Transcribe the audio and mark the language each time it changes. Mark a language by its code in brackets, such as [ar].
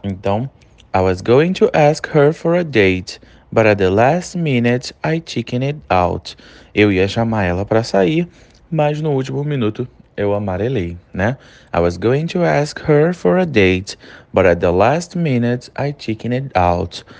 [en] Então, I was going to ask her for a date, but at the last minute I chickened out. [pt] Eu ia chamar ela para sair, mas no último minuto eu amarelei, né? [en] I was going to ask her for a date, but at the last minute I chickened out.